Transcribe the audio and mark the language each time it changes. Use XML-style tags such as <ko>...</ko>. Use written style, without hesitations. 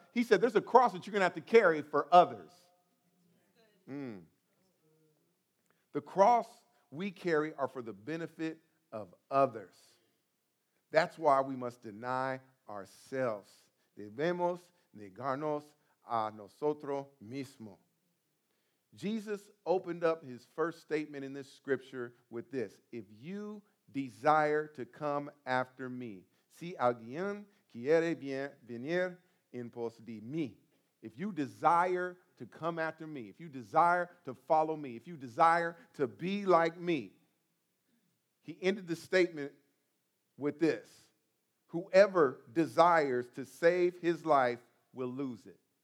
<en>He said, there's a cross that you're going to have to carry for others. The cross we carry are for the benefit of others. That's why we must deny ourselves.</en> <es>Debemos negarnos a nosotros mismos.</es> <en>Jesus opened up his first statement in this scripture with this. If you desire to come after me.</en> <es>Si alguien quiere venir en pos de mí.</es> <en>If you desire to come after me, if you desire to follow me, if you desire to be like me. He ended the statement with this. Whoever desires to save his life will lose it.</en>